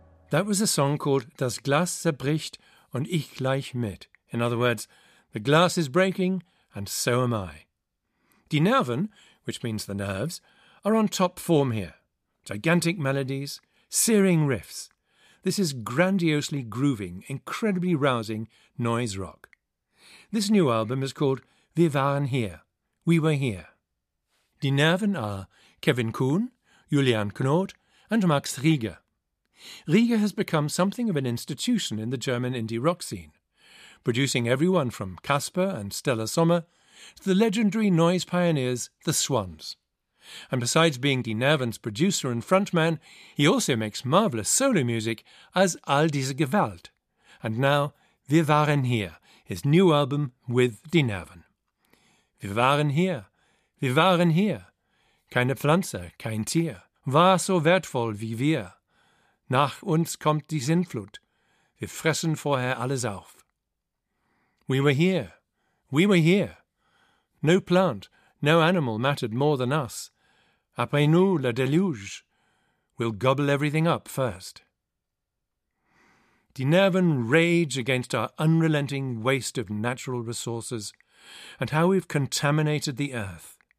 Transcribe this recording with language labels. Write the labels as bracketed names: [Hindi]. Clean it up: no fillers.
[English] That was a song called Das Glas zerbricht und ich gleich mit. In other words, the glass is breaking and so am I. Die Nerven, which means the nerves, are on top form here. Gigantic melodies, searing riffs. This is grandiosely grooving, incredibly rousing noise rock. This new album is called Wir waren hier. We were here. Die Nerven are Kevin Kuhn, Julian Knoth and Max Rieger. Rieger has become something of an institution in the German indie rock scene, producing everyone from Kasper and Stella Sommer to the legendary noise pioneers The Swans. And besides being Die Nerven's producer and frontman, he also makes marvellous solo music as All diese Gewalt. And now, Wir waren hier, his new album with Die Nerven. [German] Wir waren hier, wir waren hier. Keine Pflanze, kein Tier, war so wertvoll wie wir. Nach uns kommt die Sintflut, wir fressen vorher alles auf. [English] We were here, we were here. No plant, no animal mattered more than us. [French] Après nous, le déluge. [English] We'll gobble everything up first. Die Nerven rage against our unrelenting waste of natural resources and how we've contaminated the earth.